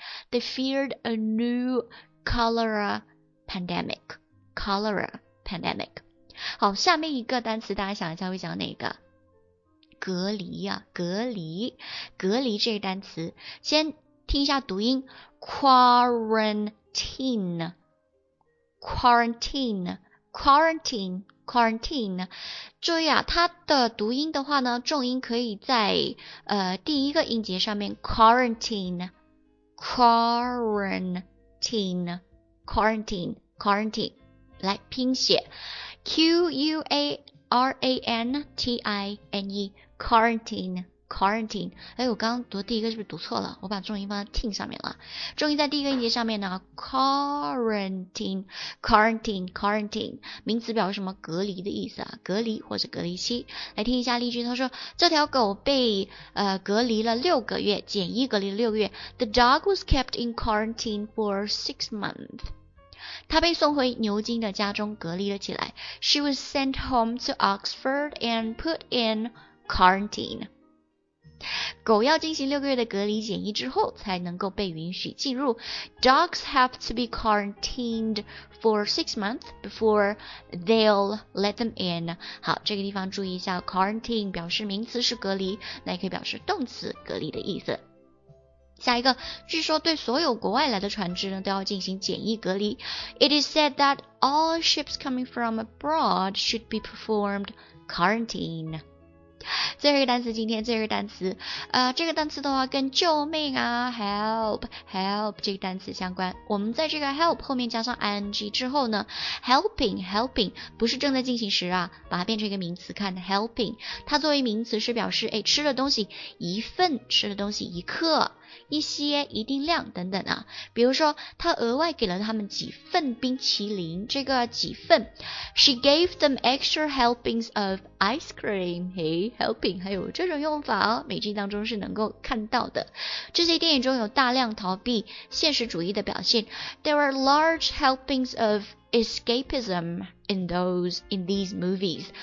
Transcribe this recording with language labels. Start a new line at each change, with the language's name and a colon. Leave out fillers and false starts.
English: They feared a new cholera pandemic, cholera pandemic.
Chinese: 好，下面一个单词大家想一下会讲哪个？隔离啊，隔离，隔离这个单词，先听一下读音 ,quarantine,quarantine, quarantine, quarantine, 注意啊，它的读音的话呢，重音可以在第一个音节上面， quarantine, quarantine, quarantine, quarantine, 来拼写 Q-U-A-R-A-N-T-I-N-E, quarantine, quarantine。哎，我刚读第一个是不是读错了，我把重音放在 teen 上面了，重音在第一个音节上面呢， quarantine quarantine quarantine 名词表示什么隔离的意思啊，隔离或者隔离期。来听一下例句，他说这条狗被隔离了六个月，简易隔离了六个月。
English: The dog was kept in quarantine for 6 months。
Chinese: 他被送回牛津的家中隔离了起来。
English: She was sent home to Oxford and put in quarantine。
Chinese: 狗要进行六个月的隔离检疫之后才能够被允许进入。
English: Dogs have to be quarantined for 6 months before they'll let them in。
Chinese: 好，这个地方注意一下， quarantine 表示名词是隔离，那也可以表示动词隔离的意思。下一个，据说对所有国外来的船只呢都要进行检疫隔离。
English: It is said that all ships coming from abroad should be performed quarantine。
Chinese: 最后一个单词，今天最后一个单词，这个单词的话跟救命啊 help help 这个单词相关。我们在这个 help 后面加上 ing 之后呢， helping helping 不是正在进行时啊，把它变成一个名词看， helping 它作为名词是表示哎吃的东西一份，吃的东西一克，一些一定量等等啊。比如说他额外给了他们几份冰淇淋，这个几份，
English: She gave them extra helpings of ice cream。
Chinese: 嘿， helping 还有这种用法哦，美剧当中是能够看到的。这些电影中有大量逃避现实主义的表现。
English: There are large helpings of escapism in these movies。